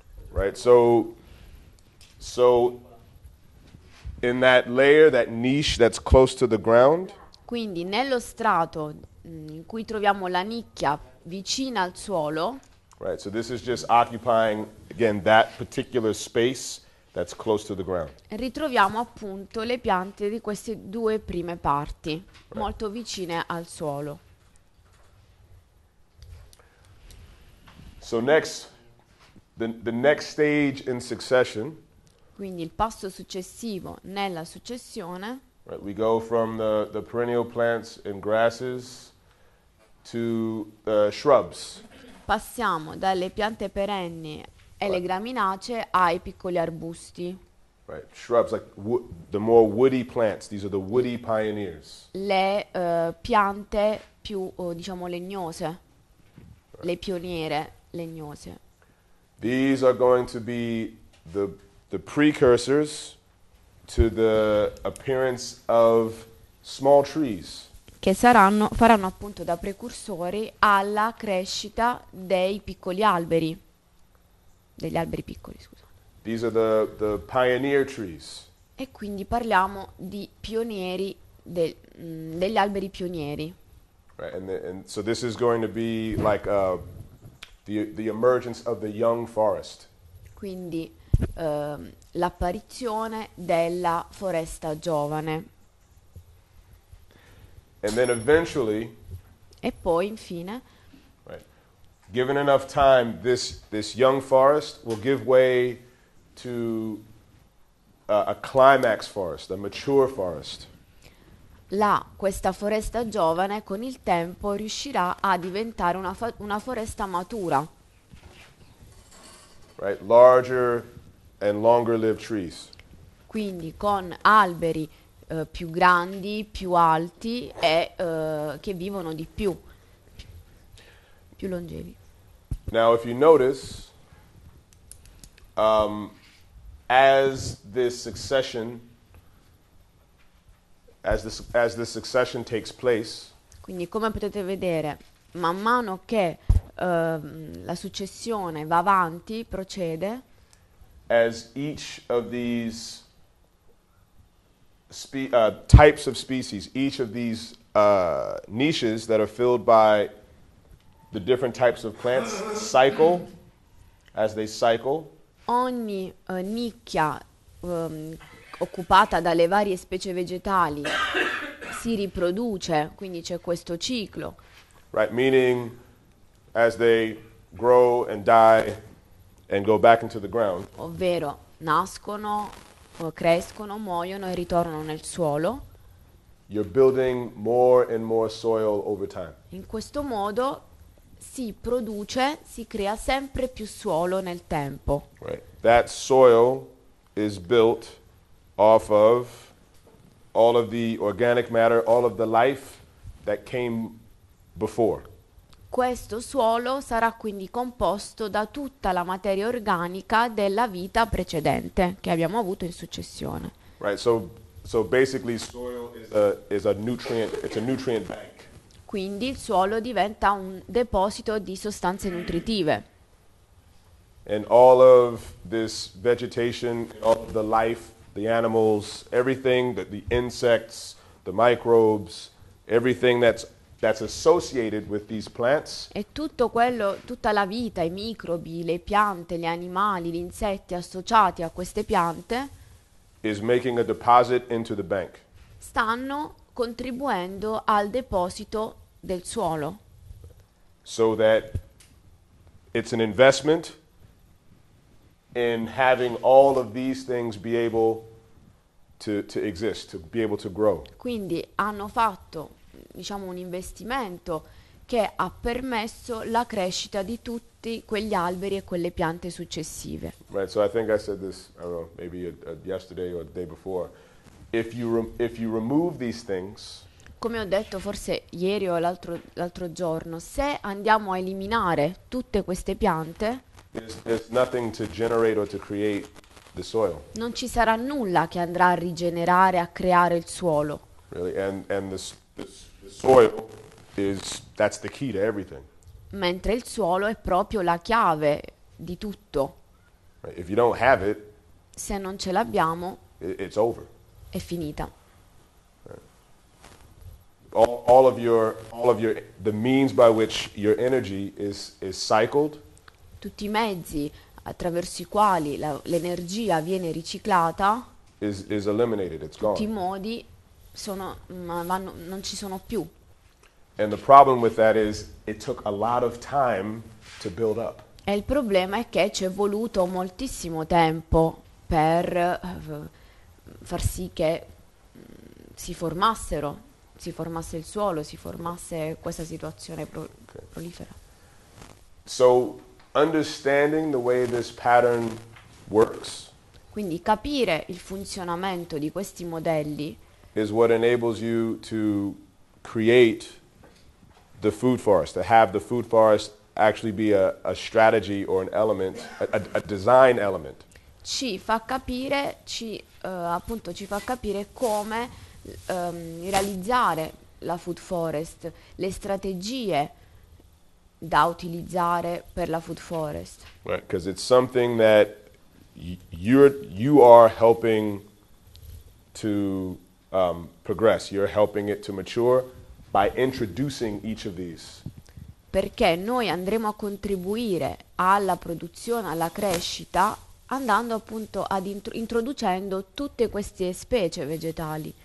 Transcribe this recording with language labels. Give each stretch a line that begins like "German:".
English: Right, so in that layer, that niche that's close to the ground.
Italian: Quindi nello strato in cui troviamo la nicchia vicina al suolo.
English: Right, so this is just occupying again that particular space that's close to the ground.
Italian: Ritroviamo appunto le piante di queste due prime parti,
English: right,
Italian: molto vicine al suolo.
English: So next, the next stage in succession.
Italian: Quindi il passo successivo nella successione.
English: Right, we go from the perennial plants and grasses to shrubs.
Italian: Passiamo dalle piante perenni e le graminacee ai piccoli arbusti.
English: Right, shrubs like the more woody plants. These are the woody pioneers.
Italian: Le piante più diciamo legnose,
English: right,
Italian: le pioniere. Legnose.
English: These are going to be the precursors to the appearance of small trees.
Italian: Che faranno appunto da precursori alla crescita dei piccoli alberi. Degli alberi piccoli, scusa.
English: These are the pioneer trees.
Italian: E quindi parliamo di pionieri degli alberi pionieri.
English: Right, and so this is going to be like the emergence of the young forest.
Italian: Quindi l'apparizione della foresta giovane.
English: And then eventually.
Italian: E poi infine.
English: Right. Given enough time, this young forest will give way to a climax forest, a mature forest.
Italian: Questa foresta giovane con il tempo riuscirà a diventare una foresta matura.
English: Right, larger and longer lived trees.
Italian: Quindi con alberi più grandi, più alti e che vivono di più, più longevi.
English: Now if you notice, as this succession, as the succession takes place.
Italian: Quindi come potete vedere, man mano che la successione va avanti, procede.
English: as each of these types of species, each of these niches that are filled by the different types of plants cycle, as they cycle.
Italian: Ogni nicchia occupata dalle varie specie vegetali si riproduce, quindi c'è questo ciclo.
English: Right, meaning as they grow and die and go back into the ground.
Italian: Ovvero nascono, crescono, muoiono e ritornano nel suolo.
English: You're building more and more soil over time.
Italian: In questo modo si produce, si crea sempre più suolo nel tempo.
English: Right. That soil is built off of all of the organic matter, all of the life that came before.
Italian: Questo suolo sarà quindi composto da tutta la materia organica della vita precedente che abbiamo avuto in successione.
English: Right, so basically soil is a nutrient, it's a nutrient bank.
Italian: Quindi il suolo diventa un deposito di sostanze nutritive.
English: And all of this vegetation, all of the life, the animals, everything, the insects, the microbes, everything that's associated with these plants.
Italian: E tutto quello, tutta la vita, i microbi, le piante, gli animali, gli insetti associati a queste piante.
English: Is making a deposit into the bank.
Italian: Stanno contribuendo al deposito del suolo.
English: So that it's an investment in having all of these things be able to exist, to be able to grow.
Italian: Quindi hanno fatto, diciamo, un investimento che ha permesso la crescita di tutti quegli alberi e quelle piante successive.
English: Right, so I think I said this, I don't know, maybe yesterday or the day before. If you remove these things,
Italian: come ho detto forse ieri o l'altro giorno, se andiamo a eliminare tutte queste piante,
English: there's nothing to generate or to create the soil.
Italian: Non ci sarà nulla che andrà a rigenerare, a creare il suolo.
English: Really, and the soil is, that's the key to everything.
Italian: Mentre il suolo è proprio la chiave di tutto.
English: Right, if you don't have it,
Italian: se non ce l'abbiamo,
English: it's over.
Italian: È finita.
English: Right. All of your the means by which your energy is cycled.
Italian: Tutti i mezzi attraverso i quali l'energia viene riciclata.
English: Is eliminated. It's
Italian: tutti I modi sono, ma vanno, non ci sono più.
English: And the problem with that is it took a lot of time to build up.
Italian: E il problema è che ci è voluto moltissimo tempo per far sì che si formasse il suolo, si formasse questa situazione prolifera.
English: So understanding the way this pattern works.
Italian: Quindi capire il funzionamento di questi modelli
English: is what enables you to create the food forest, to have the food forest actually be a strategy or an element, a design element.
Italian: Ci fa capire, ci fa capire come realizzare la food forest, le strategie da utilizzare per la food forest.
English: Right, because it's something that you are helping to progress. You're helping it to mature by introducing each of these.
Italian: Perché noi andremo a contribuire alla produzione, alla crescita, andando appunto ad introducendo tutte queste specie vegetali.